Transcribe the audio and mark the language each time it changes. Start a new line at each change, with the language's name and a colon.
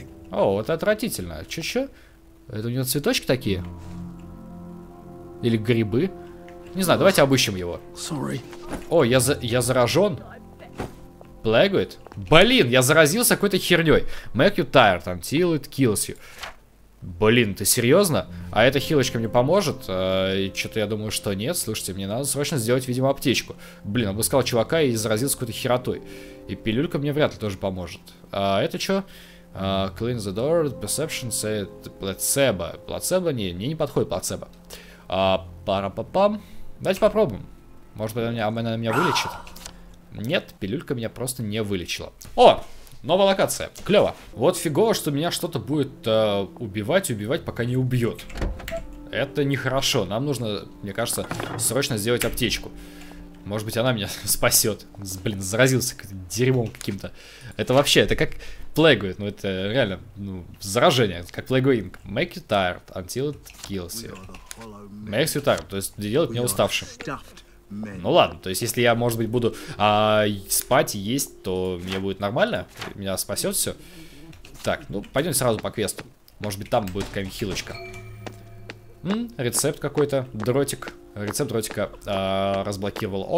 Russian: О, это отвратительно. Че-че? Это у него цветочки такие? Или грибы? Не знаю, давайте обыщем его. О, я заражен. Плагует? Блин, я заразился какой-то херней.
English: Make you tired until it kills you.
Russian: Блин, ты серьезно? А эта хилочка мне поможет? Что-то я думаю, что нет. Слушайте, мне надо срочно сделать, видимо, аптечку. Блин, обыскал чувака и заразился какой-то херотой. И пилюлька мне вряд ли тоже поможет. А это что?
English: Clean the door, perception said placebo.
Russian: Placebo не, мне не подходит плацебо. Пара-па-пам. Давайте попробуем. Может быть, она меня вылечит? Нет, пилюлька меня просто не вылечила. О! Новая локация. Клево. Вот фигово, что меня что-то будет убивать, пока не убьет. Это нехорошо. Нам нужно, мне кажется, срочно сделать аптечку. Может быть, она меня спасет. Блин, заразился дерьмом каким-то. Это вообще, это как Plague. Ну, это реально, ну, заражение. Как
English: Plague Inc. Make you tired until it kills you. Make you tired,
Russian: то есть делает меня уставшим. Ну ладно, то есть если я, может быть, буду спать и есть, то мне будет нормально, меня спасет все. Так, ну пойдем сразу по квесту. Может быть, там будет какая-нибудь хилочка. Рецепт какой-то, дротик. Рецепт дротика разблокировал.